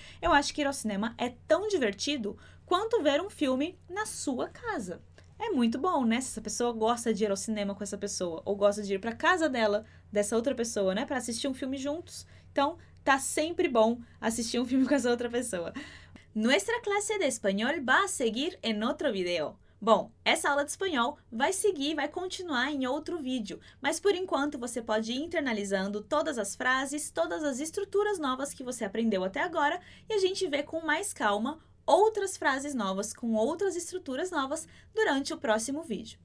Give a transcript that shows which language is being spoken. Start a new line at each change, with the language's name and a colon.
Portuguese: Eu acho que ir ao cinema é tão divertido quanto ver um filme na sua casa. É muito bom, né? Se essa pessoa gosta de ir ao cinema com essa pessoa ou gosta de ir para casa dela, dessa outra pessoa, né? Para assistir um filme juntos. Então, tá sempre bom assistir um filme com essa outra pessoa.
Spanish: Nuestra clase de espanhol va a seguir en otro video.
Portuguese: Bom, essa aula de espanhol vai seguir, vai continuar em outro vídeo. Mas, por enquanto, você pode ir internalizando todas as frases, todas as estruturas novas que você aprendeu até agora e a gente vê com mais calma outras frases novas com outras estruturas novas durante o próximo vídeo.